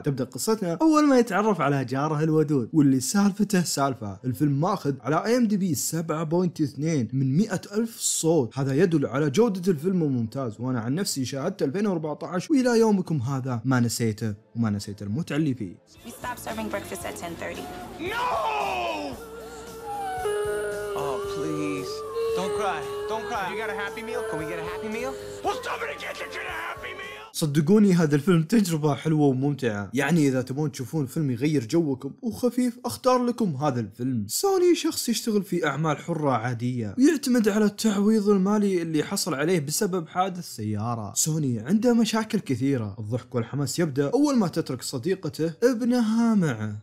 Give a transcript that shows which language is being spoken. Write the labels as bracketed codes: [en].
[ar] تبدأ قصتنا أول ما يتعرف على جاره الودود واللي سالفته سالفة. الفيلم ماخذ على IMDb 7.2 من 100,000 صوت، هذا يدل على جودة الفيلم ممتاز، وأنا عن نفسي شاهدت 2014 وإلى يومكم هذا ما نسيته وما نسيت المتعة اللي فيه. [en] We stopped serving breakfast at 10:30. No! Oh please, don't cry, don't cry. You got a happy meal? Can we get a happy meal? We'll stop in the kitchen and get a happy meal. [ar] صدقوني هذا الفيلم تجربة حلوة وممتعة، يعني إذا تبون تشوفون فيلم يغير جوكم وخفيف أختار لكم هذا الفيلم. سوني شخص يشتغل في أعمال حرة عادية ويعتمد على التعويض المالي اللي حصل عليه بسبب حادث سيارة. سوني عنده مشاكل كثيرة. الضحك والحماس يبدأ أول ما تترك صديقته ابنها معه.